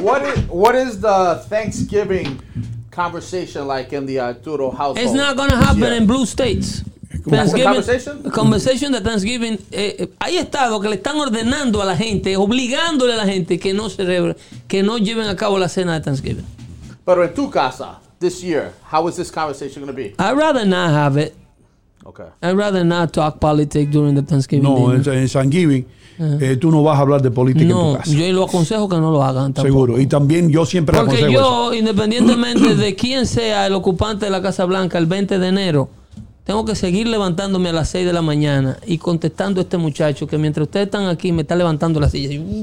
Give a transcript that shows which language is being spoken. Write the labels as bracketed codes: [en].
[en] What is the Thanksgiving conversation like in the Arturo household? It's not going to happen in blue states. Thanksgiving, conversation [es] de Thanksgiving. Hay estados que le están ordenando a la gente, obligándole a la gente que no lleven a cabo la cena de Thanksgiving. Pero en tu casa, [en] this year, how is this conversation going to be? I'd rather not have it. Okay. I'd rather not talk politics during the Thanksgiving dinner. [es] No, en Thanksgiving, uh-huh, tú no vas a hablar de política no, en tu casa. No, yo lo aconsejo que no lo hagan tampoco. Seguro, y también yo siempre porque aconsejo porque yo, eso, independientemente de quién sea el ocupante de la Casa Blanca el 20 de enero, tengo que seguir levantándome a las 6 de la mañana y contestando a este muchacho que mientras ustedes están aquí me está levantando la silla.